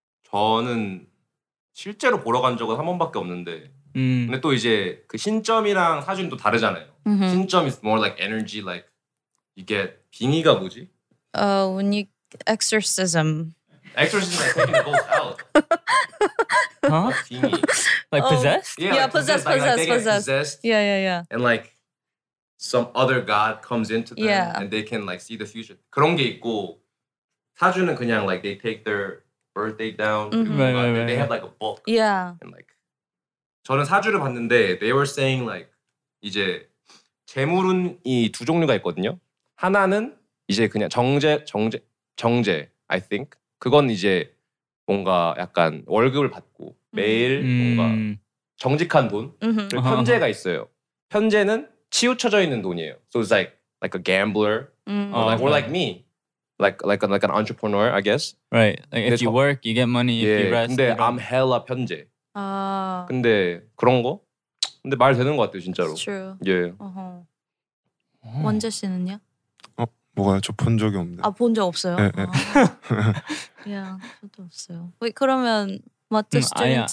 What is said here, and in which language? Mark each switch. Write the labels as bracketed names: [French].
[Korean] 저는 실제로 보러 간 적은 한 번밖에 없는데 근데 또 이제 그 신점이랑 사주는 또 다르잖아요. Mm-hmm. [English] 신점 is more like energy, like you get [Korean] 빙의가 뭐지? [English] When you exorcism. Exorcism is like taking the ghost out. Huh? Like possessed? Yeah, possessed. Yeah. And like some other god comes into them and they can like see the future. [Korean] 그런 게 있고 사주는 그냥 [English] like they take their birthday down. Right. They have like a book. Yeah. And like [Korean] 저는 사주를 봤는데 [English] they were saying like [Korean] 이제 재물운이 두 종류가 있거든요. 하나는 이제 그냥 정제 [English] I think [Korean] 그건 이제 뭔가 약간 월급을 받고 매일 뭔가 정직한 돈. 그리고 편제가 있어요. 편제는 치우쳐져 있는 돈이에요. [English] So it's like a gambler or like me. Like an entrepreneur, I guess. Right. Like if you work, you get money. If you rest, [Korean] 근데 [English] I'm hella [Korean] 편제. 근데 그런 거? 근데 말 되는 것 같아요, 진짜로. [English] That's true. [Korean] 예. 원재 씨는요? 뭐가요? 저 본 적이 없네. 아, 본 적 없어요? 네. 저도 없어요. 왜 그러면 마트 스튜디오는?